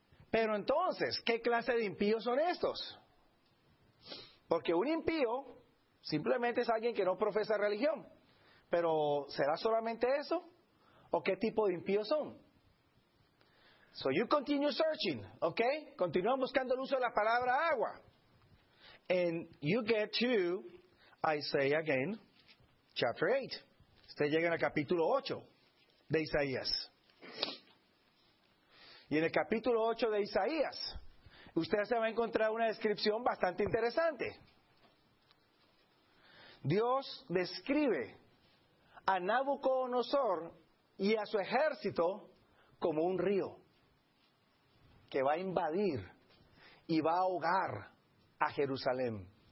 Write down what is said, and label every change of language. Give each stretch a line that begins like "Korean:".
Spanish: Pero entonces, ¿qué clase de impíos son estos? Porque un impío simplemente es alguien que no profesa religión. ¿Pero será solamente eso? ¿O qué tipo de impíos son?
English: So you continue searching,
Spanish: ¿ok? Continúan buscando el uso de la palabra agua.
English: And you get to Isaiah again. Chapter 8.
Spanish: Usted llega al capítulo 8 de Isaías. Y en el capítulo 8 de Isaías, usted se va a encontrar una descripción bastante interesante. Dios describe a Nabucodonosor y a su ejército como un río que va a invadir y va a ahogar a Jerusalén.